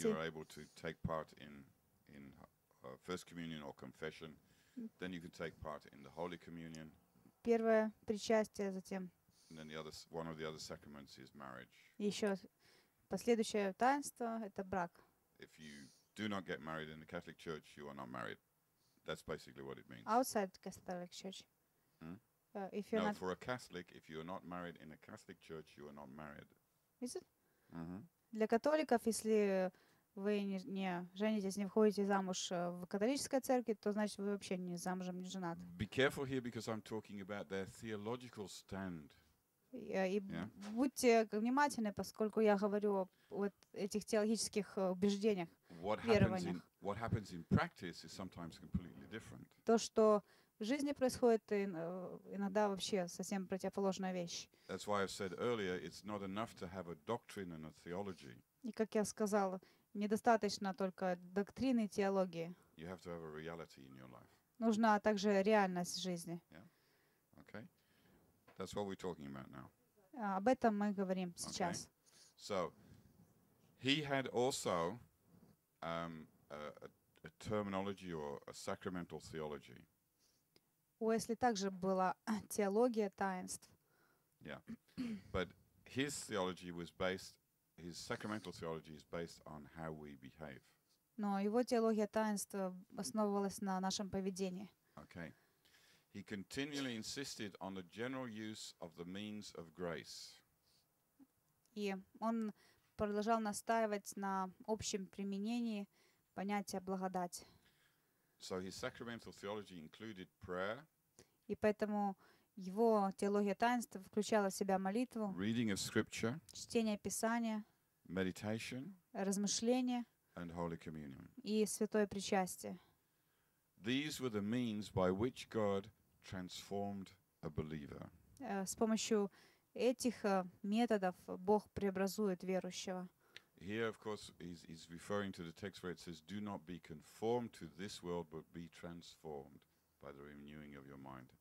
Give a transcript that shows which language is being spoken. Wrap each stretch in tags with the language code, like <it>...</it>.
<en>Then you are able to take part in first communion or confession. Then you can take part in the Holy Communion.</en> <ru>Первое причастие, затем.</ru> <en>And then one of the other sacraments is marriage.</en> <ru>Еще последующее таинство – это брак.</ru> <en>If you do not get married in the Catholic Church, you are not married. That's basically what it means. Outside Catholic Church. For a Catholic, if you are not married in a Catholic church, you are not married. Is it? Mm-hmm.</en> <ru>Для католиков, если вы не женитесь, не выходите замуж в католической церкви, то значит вы вообще не замужем, не женат.</ru> <en>Be careful here, because I'm talking about their theological stand.</en> <ru>И будьте внимательны, поскольку я говорю о этих теологических убеждениях, верованиях.</ru> <en>What happens in practice is sometimes completely different.</en> <ru>То, что в жизни происходит иногда вообще совсем противоположная вещь.</ru> <en>That's why I said earlier, it's not enough to have a doctrine and a theology.</en> <ru>И как я сказал, недостаточно только доктрины и теологии.</ru> <en>You have to have a reality in your life.</en> <ru>Нужна также реальность в жизни.</ru> <en>Yeah. Okay. That's what we're talking about now.</en> <ru>Об этом мы говорим сейчас.</ru> <en>So he had also a terminology or a sacramental theology.</en> <ru>Уэсли также была теология таинств.</ru> <en>Yeah. But his theology was based his sacramental theology is based on how we behave.</en> <ru>Но его теология таинства основывалась на нашем поведении.</ru> <en>Okay. He continually insisted on the general use of the means of grace.</en> <ru>И он продолжал настаивать на общем применении понятия благодать.</ru> <en>So his sacramental theology included prayer.</en> <ru>И поэтому его теология таинства включала в себя молитву,</ru> <en>reading of scripture,</en> <ru>чтение Писания,</ru> <en>meditation,</en> <ru>размышление</ru> <en>and holy communion.</en> <ru>И святое причастие.</ru> <en>These were the means by which God transformed a believer.</en> <ru>С помощью этих методов Бог преобразует верующего.</ru> <en>Here, of course, he's referring to the text where it says, "Do not be conformed to this world, but be transformed by the renewing of your mind."</en>